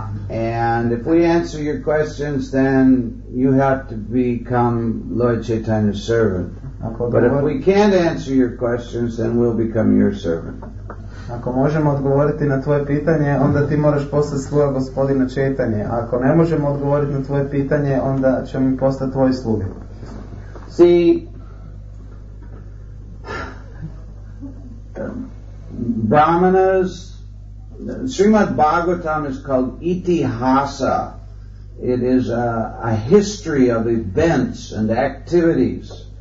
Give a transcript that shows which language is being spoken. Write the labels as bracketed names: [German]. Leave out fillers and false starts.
[English] And if we answer your questions, then you have to become Lord Chaitanya's servant. But if we can't answer your questions, then we'll become your servant. [Bosnian] Ako možemo odgovoriti na tvoje pitanje, onda ti moraš postati sluga gospodina Čejtanje. Ako ne možemo odgovoriti na tvoje pitanje, onda ćemo mi postati tvoji slugi. [English] See, Brahmanas, Srimad Bhagavatam is called Itihasa. It is a history of events and activities.